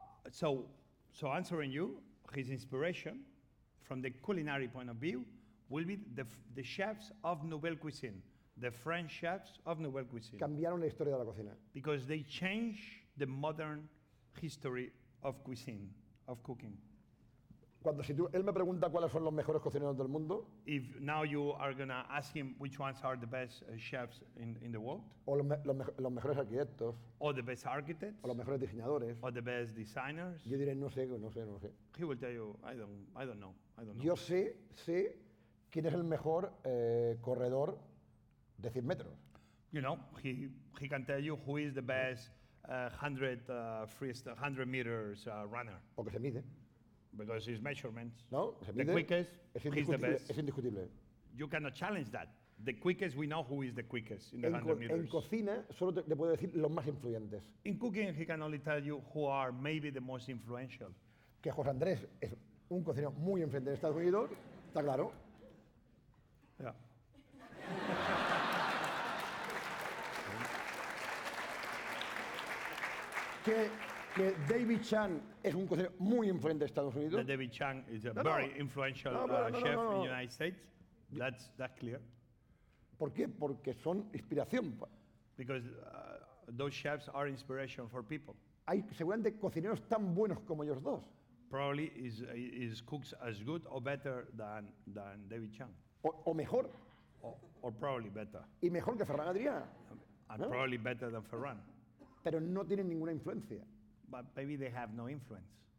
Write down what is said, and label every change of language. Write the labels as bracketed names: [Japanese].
[English] So answering you, his inspiration from the culinary point of view will be the chefs of nouvelle cuisine, the French chefs of nouvelle cuisine. [Spanish] Cambiaron la historia de la cocina. [English] Because they changed the modern history of cuisine, of cooking. [Spanish] Cuando si tú, él me pregunta cuáles son los mejores cocineros del mundo. [English] If now you are gonna ask him which ones are the best chefs in the world. [Spanish] O los mejores arquitectos. [English] Or the best architects. [Spanish] O los mejores diseñadores. [English] Or the best designers. [Spanish] Yo diré no sé. [English] He will tell you I don't know. [Spanish] Yo sé quién es el mejor corredor de 100 metros. [English] You know he can tell you who is the best 100 meters runner. [Spanish] Porque se mide. [English] Because his measurements, [Spanish] no, [English] the quickest, he's the best. [Spanish] Es indiscutible. [English] You cannot challenge that. The quickest, we know who is the quickest in the 100 meters. [Spanish] En cocina, solo te puedo decir los más influyentes. [English] In cooking, he can only tell you who are maybe the most influential. [Spanish] Que José Andrés es un cocinero muy influyente en Estados Unidos, está claro. [English] Yeah. [Spanish] Que David Chang es un cocinero muy influyente en Estados Unidos. [English] That David Chang is a very influential chef in the United States. That's clear. [Spanish] ¿Por qué? Porque son inspiración. [English] Because those chefs are inspiration for people. [Spanish] Hay seguramente cocineros tan buenos como ellos dos. [English] Probably is cooks as good or better than David Chang. [Spanish] O mejor. [English] Or probably better. [Spanish] Y mejor que Ferran Adrià. [English] And probably better than Ferran. [Spanish] Pero no tienen ninguna influencia. [English] But maybe they have no influence.